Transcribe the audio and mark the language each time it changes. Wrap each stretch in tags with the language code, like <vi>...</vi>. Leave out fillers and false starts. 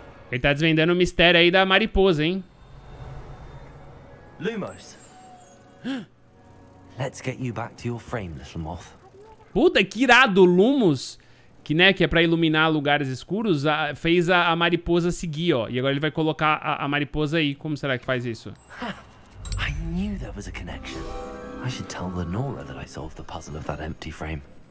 <pt>Ele tá desvendando o mistério aí da mariposa, hein? Lumos.</pt> <en>Let's get you back to your frame, little moth.</en> <pt>Puta, que irado, Lumos, que, né, que é pra iluminar lugares escuros, fez a mariposa seguir, ó. E agora ele vai colocar a mariposa aí. Como será que faz isso?</pt> <en>I knew there was a connection. I should tell Lenora that I solved the puzzle of that empty frame.</en>